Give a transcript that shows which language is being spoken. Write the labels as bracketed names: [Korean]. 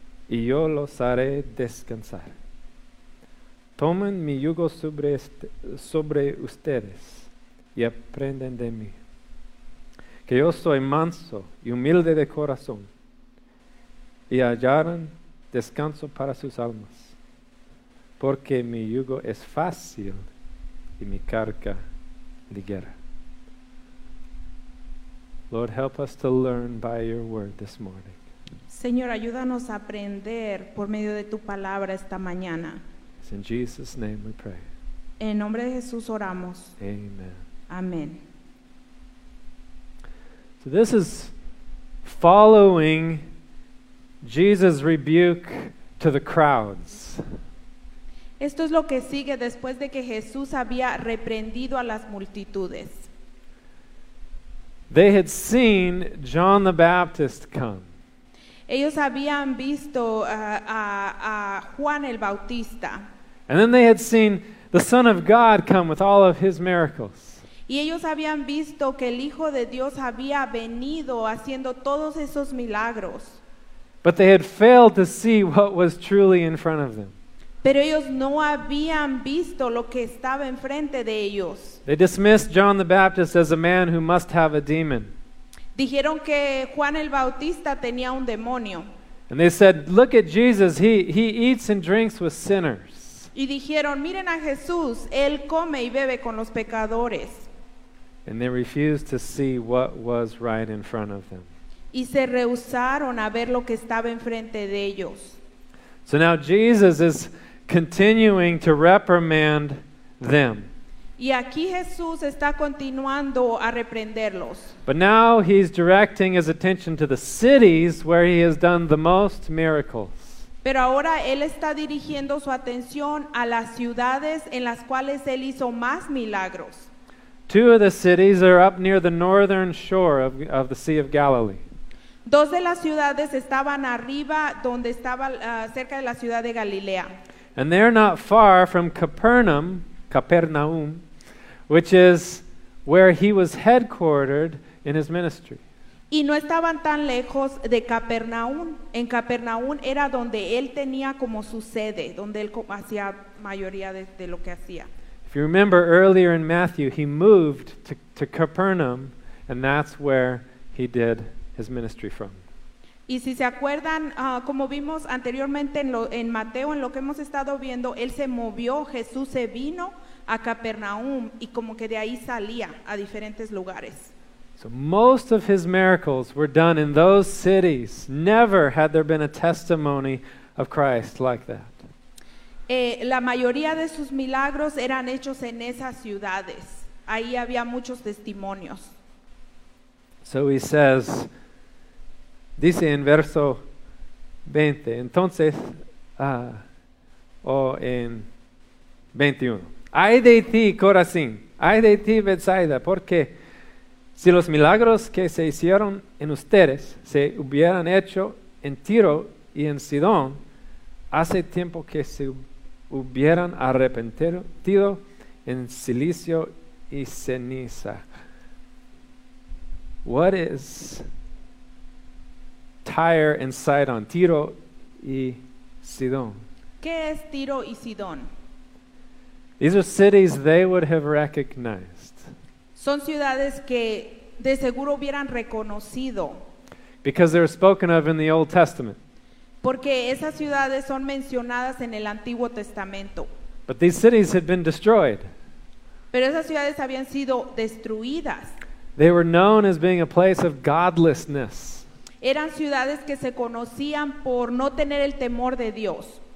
[Spanish] Y yo los haré descansar. Tomen mi yugo sobre ustedes y aprendan de mí, que yo soy manso y humilde de corazón, y hallarán descanso para sus almas, porque mi yugo es fácil y mi carga ligera. [English] Lord, help us to learn by your word this morning. [Spanish] Señor, ayúdanos a aprender por medio de tu palabra esta mañana. [English] In Jesus' name we pray. [Spanish] En nombre de Jesús oramos. [English] Amen. [Spanish] Amen. [English] So this is following Jesus' rebuke to the crowds. [Spanish] Esto es lo que sigue después de que Jesús había reprendido a las multitudes. [English] They had seen John the Baptist come. [Spanish] Ellos habían visto a Juan el Bautista. [English] And then they had seen the Son of God come with all of his miracles. [Spanish] Y ellos habían visto que el Hijo de Dios había venido haciendo todos esos milagros. [English] But they had failed to see what was truly in front of them. [Spanish] Pero ellos no habían visto lo que estaba enfrente de ellos. [English] They dismissed John the Baptist as a man who must have a demon. [Spanish] Dijeron que Juan el Bautista tenía un demonio. [English] And they said, look at Jesus, he eats and drinks with sinners. [Spanish] Y dijeron, miren a Jesús, él come y bebe con los pecadores. [English] And they refused to see what was right in front of them. [Spanish] Y se rehusaron a ver lo que estaba enfrente de ellos. [English] So now Jesus is continuing to reprimand them. [Spanish] Y aquí Jesús está continuando a reprenderlos. [English] But now he's directing his attention to the cities where he has done the most miracles. [Spanish] Pero ahora él está dirigiendo su atención a las ciudades en las cuales él hizo más milagros. [English] Two of the cities are up near the northern shore of the Sea of Galilee. [Spanish] Dos de las ciudades estaban arriba donde estaba cerca de la ciudad de Galilea. [English] And they're not far from Capernaum, Capernaum, which is where he was headquartered in his ministry. [Spanish] Y no estaban tan lejos de Capernaum. En Capernaum era donde él tenía como su sede, donde él hacía mayoría de lo que hacía. [English] If you remember earlier in Matthew, he moved to Capernaum, and that's where he did his ministry from. [Spanish] Y si se acuerdan, como vimos anteriormente en Mateo, en lo que hemos estado viendo, él se movió, Jesús se vino a Capernaum y como que de ahí salía a diferentes lugares. [English] So most of his miracles were done in those cities. Never had there been a testimony of Christ like that. [Spanish] La mayoría de sus milagros eran hechos en esas ciudades. Ahí había muchos testimonios. [English] So he says, [Spanish] dice en verso 20, entonces, en 21. Ay de ti, Corazín, ay de ti, Bethsaida, porque si los milagros que se hicieron en ustedes se hubieran hecho en Tiro y en Sidón, hace tiempo que se hubieran arrepentido en Cilicio y Ceniza. [English] What is Tyre and Sidon, Tiro y Sidon? [Spanish] ¿Qué es Tiro y Sidon? [English] These are cities they would have recognized. [Spanish] Son ciudades que de seguro hubieran reconocido. [English] Because they're spoken of in the Old Testament. [Spanish] Porque esas ciudades son mencionadas en el Antiguo Testamento. [English] But these cities had been destroyed. [Spanish] Pero esas ciudades habían sido destruidas. [English] They were known as being a place of godlessness. [Spanish] Eran ciudades que se conocían por no tener el temor de Dios.